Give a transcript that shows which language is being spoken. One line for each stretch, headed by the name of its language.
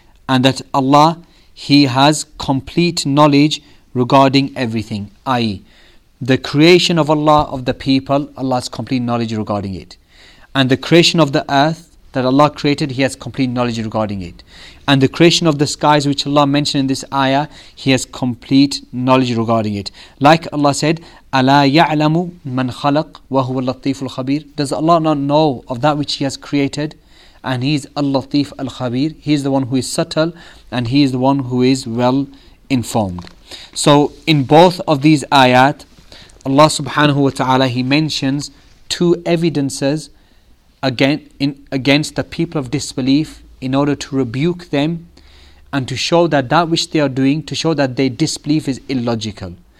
English: And that Allah, he has complete knowledge regarding everything, i.e. the creation of Allah, of the people, Allah has complete knowledge regarding it. And the creation of the earth that Allah created, he has complete knowledge regarding it. And the creation of the skies, which Allah mentioned in this ayah, he has complete knowledge regarding it. Like Allah said,
Arabic: أَلَا يَعْلَمُ مَنْ خَلَقْ وَهُوَ اللَّطِيفُ الْخَبِيرُ.
English: Does Allah not know of that which he has created? And he is
Arabic: اللطيف الخبير.
English: He is the one who is subtle, and he is the one who is well informed. So in both of these ayat, Allah subhanahu wa ta'ala, he mentions two evidences against the people of disbelief in order to rebuke them and to show that that which they are doing, to show that their disbelief is illogical.